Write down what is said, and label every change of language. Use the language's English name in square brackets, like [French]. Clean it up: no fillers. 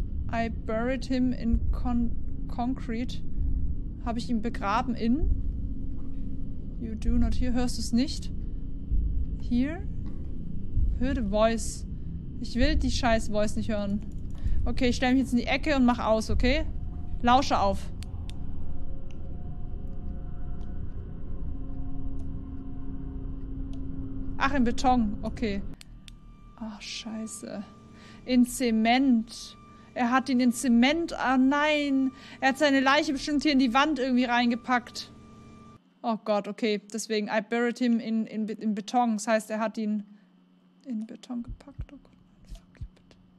[English] I buried him in concrete. [German] Habe ich ihn begraben in? [English] You do not hear. [German] Hörst du es nicht? Hier? Hör die Voice. Ich will die scheiß Voice nicht hören. Okay, ich stelle mich jetzt in die Ecke und mach aus, okay? Lausche auf. Ach, in Beton. Okay. Ach, scheiße. In Zement. Er hat ihn in Zement. Ah, nein. Er hat seine Leiche bestimmt hier in die Wand irgendwie reingepackt. Oh Gott, okay. Deswegen, [English] I buried him in Beton. [German] Das heißt, er hat ihn in Beton gepackt. Oh Gott. Fuck you, bitte.